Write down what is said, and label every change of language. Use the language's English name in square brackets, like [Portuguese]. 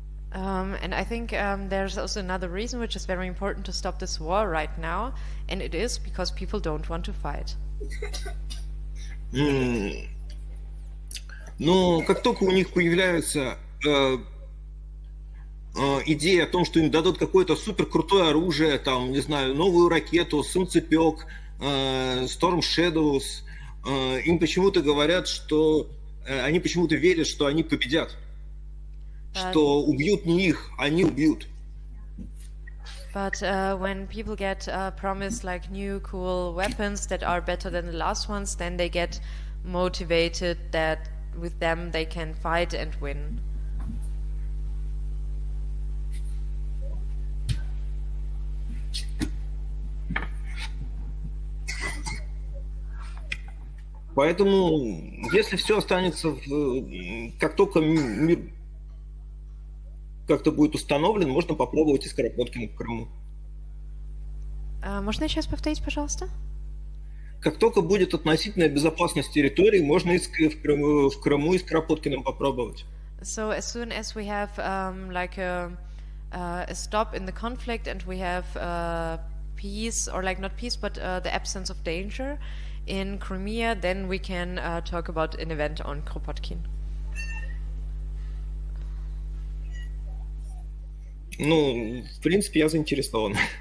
[English] And I think there's also another reason which is very important to stop this war right now, and it is because people don't want to fight. [Russian] Но как только у них появляется идея о том, что им дадут какое-то суперкрутое оружие, там, не знаю, новую ракету, солнцепёк, Storm Shadows, им почему-то говорят, что они почему-то верят, что они победят, что убьют не их, они убьют. [English] But when people get promised like new cool weapons that are better than the last ones, then they get motivated that with them they can fight and win. [Russian] Поэтому, если все останется, как только мир как-то будет установлен, можно попробовать из Кропоткина к Крыму. Можно сейчас повторить, пожалуйста? Как только будет относительная безопасность территории, можно в Крыму из Кропоткина попробовать. [English] So as soon as we have like a stop in the conflict and we have peace, or like not peace, but the absence of danger in Crimea, then we can talk about an event on Kropotkin. [Russian] Ну, в принципе, я заинтересован.